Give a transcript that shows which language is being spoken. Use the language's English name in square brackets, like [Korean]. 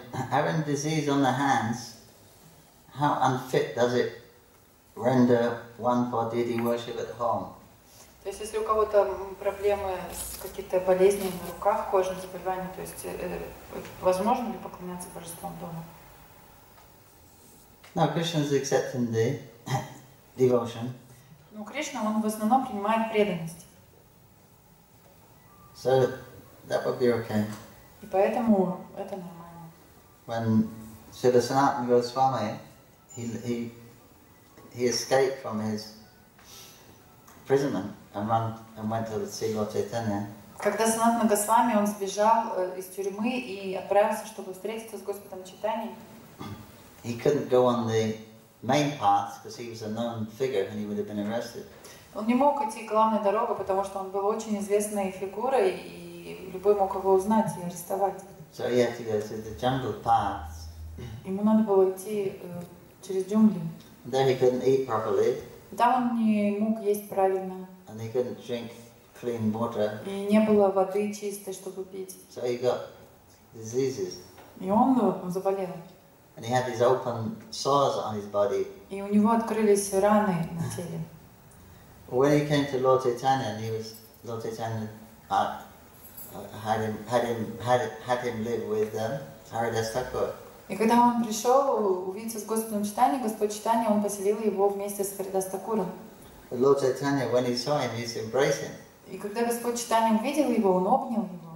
[English] Having disease on the hands, how unfit does it render one for deity worship at home? [Russian] То есть если у кого-то проблемы с какие-то болезни на руках, кожные заболевания, то есть возможно ли поклоняться божествам дома? [English] No, Krishna is accepting the devotion. [Russian] Ну, Кришна, он в основном принимает преданность. [English] So that would be okay. [Russian] И поэтому это нормально. [English] When Siddhasanatana Goswami, he escaped from his imprisonment and went to see Lord Chaitanya. [Russian] Когда Санатана Госвами, он сбежал из тюрьмы и отправился, чтобы встретиться с Господом Чайтаньей. [English] He couldn't go on the main path because he was a known figure and he would have been arrested. [Russian] Он не мог идти главной дорогой, потому что он был очень известной фигурой и любой мог его узнать и арестовать. [English] So he had to go through the jungle paths. [Russian] Ему надо было идти через джунгли. [English] There he couldn't eat properly. [Russian] Да, он не мог есть правильно. [English] And he couldn't drink clean water. [Russian] И не было воды чистой, чтобы пить. [English] So he got diseases. [Russian] И он заболел. [English] And he had these open sores on his body. [Russian] И у него открылись раны на теле. [English] When he came to Lord Chaitanya, he was Lord Chaitanya had him live with them. Haridas Thakur. [Russian] И когда он пришел увидеться с Господом Читанием, Господь Читание, он поселил его вместе с Харидас Такуром. [English] Lord Chaitanya, when he saw him, he's embracing. [Russian] И когда Господь Читание увидел его, он обнял его.